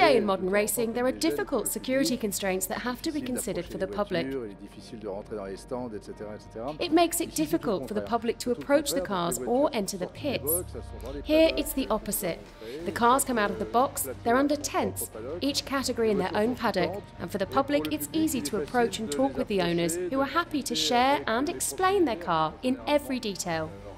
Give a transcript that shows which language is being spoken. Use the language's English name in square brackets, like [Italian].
[English] Today in modern racing, there are difficult security constraints that have to be considered for the public. [French] Il est difficile de rentrer dans les stands, etc., etc. [English] It makes it difficult for the public to approach the cars or enter the pits. Here, it's the opposite. The cars come out of the box, they're under tents, each category in their own paddock, and for the public, it's easy to approach and talk with the owners, who are happy to share and explain their car in every detail.